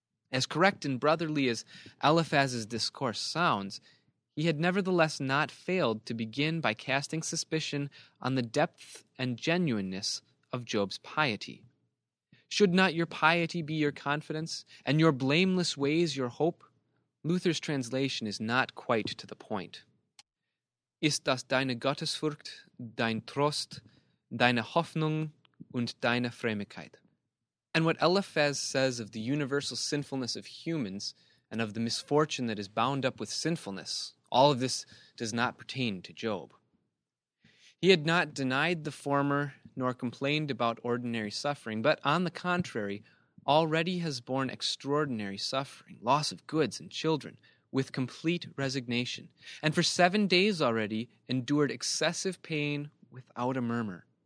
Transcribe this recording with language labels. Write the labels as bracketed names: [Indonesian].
[English] As correct and brotherly as Eliphaz's discourse sounds, he had nevertheless not failed to begin by casting suspicion on the depth and genuineness of Job's piety. "Should not your piety be your confidence, and your blameless ways your hope?" Luther's translation is not quite to the point. [German] "Ist das deine Gottesfurcht, dein Trost, deine Hoffnung, und deine Frömmigkeit?" [English] And what Eliphaz says of the universal sinfulness of humans and of the misfortune that is bound up with sinfulness, all of this does not pertain to Job. He had not denied the former nor complained about ordinary suffering, but on the contrary, already has borne extraordinary suffering, loss of goods and children, with complete resignation, and for 7 days already endured excessive pain without a murmur.